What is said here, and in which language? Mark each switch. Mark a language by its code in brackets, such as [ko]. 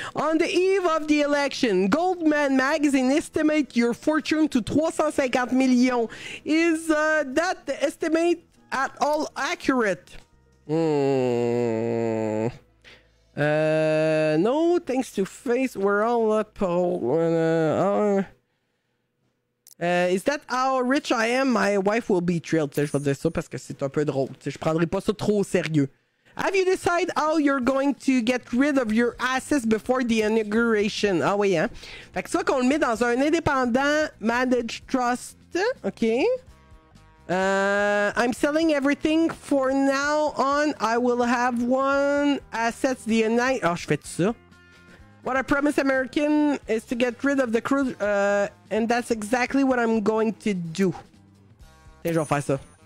[en] On the eve of the election, Goldman magazine estimate your fortune to 350 million. Is that the estimate at all accurate? No, thanks to face, we're all not poor. Is that how rich I am? My wife will be thrilled. [fr] Tu sais, je vais dire ça parce que c'est un peu drôle. Tu sais, je prendrai pas ça trop au sérieux. [en] Have you decided how you're going to get rid of your assets before the inauguration? [fr] Ah oui, hein? Fait que soit qu'on le met dans un indépendant managed trust, ok? [en] I'm selling everything. For now on, I will have one asset the night. [fr] Oh, je fais tout ça. [en] What I promise American is to get rid of the crew, and that's exactly what I'm going to do. [fr] Et je vais faire ça.